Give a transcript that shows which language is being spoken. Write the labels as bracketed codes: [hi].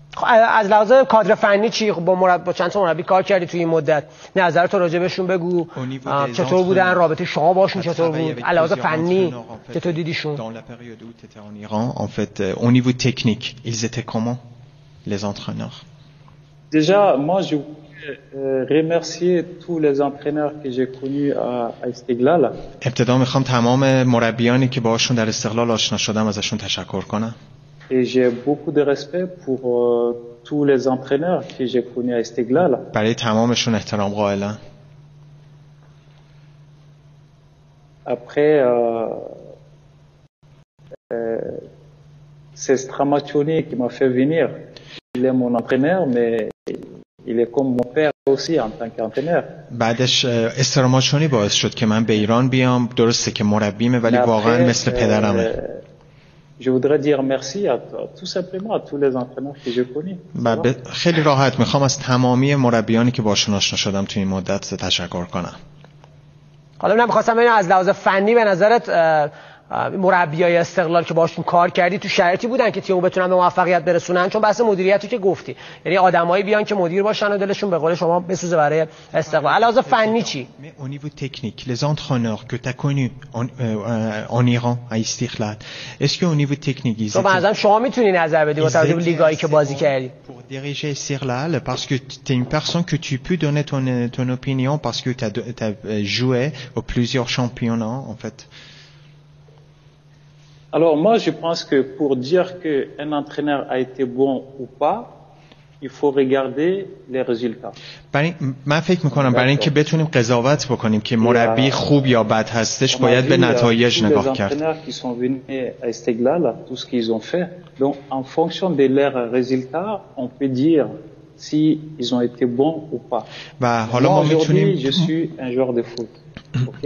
[fa] از لحاظ کادر فنی چی خب با چند تا مربی کار کردی توی این مدت؟ نظرت راجع بهشون بگو، چطور بودن، رابطه شما باشون چطور بود؟ از لحاظ فنی چطور دیدیشون؟ [fr] au niveau technique, ils étaient comment les entraîneurs? Déjà, moi je voulais remercier tous les entraîneurs que j'ai connus à Istiglal. [fa] ابتدا میخوام تمام مربیانی که باهاشون در استقلال آشنا شدم ازشون تشکر کنم. [fr] Et j'ai beaucoup de respect pour tous les entraîneurs que j'ai connus à Istiglal. [fa] برای تمامشون احترام قائلم. [fr] Après c'est Stramaccioni qui m'a fait venir. Il est mon entraîneur, mais il est comme mon père aussi en tant qu'entraîneur. [fa] بعدش استراماچونی باعث شد که من به ایران بیام. درسته که مربیمه ولی واقعا مثل پدرمه. [fr] Je voudrais dire merci à tout simplement à tous les entraîneurs que j'ai connus. [fa] خیلی راحت میخوام از تمامی مربیانی که باشون آشنا شدم توی این مدت تشکر کنم. حالا من می‌خواستم ببینم از لحاظ فنی به نظرت مربیای استقلال که باشون کار کردی تو شرایطی بودن که تیمو بتونن به موفقیت برسونن؟ چون بحث مدیریتی که گفتی، یعنی آدمایی بیان که مدیر باشن و دلشون به قول شما بسوزه برای استقلال، علاوه فنی چی؟ [fr] au niveau technique les entraîneurs que tu as connu en Iran à Istiklal est-ce que au niveau technique [fa] تو بعضی شما میتونی نظر بدی با توجه به لیگایی که بازی کردی [fr] pour diriger Istiklal parce que tu es une personne que tu peux donner ton opinion parce que tu as joué au plusieurs championnats en fait. Alors moi je pense que pour dire qu'un entraîneur a été bon ou pas, il faut regarder les résultats. [fa] من فکر میکنم برای اینکه بتونیم قضاوت بکنیم که مربی خوب یا بد هستش باید به نتایج نگاه کرد. [fr] Qui sont venus à Istiklal, tout ce qu'ils ont fait. Donc en fonction de leurs résultats, on peut dire si ils ont été bons ou pas. [fa] و حالا ما میتونیم [fr] je suis un joueur de foot.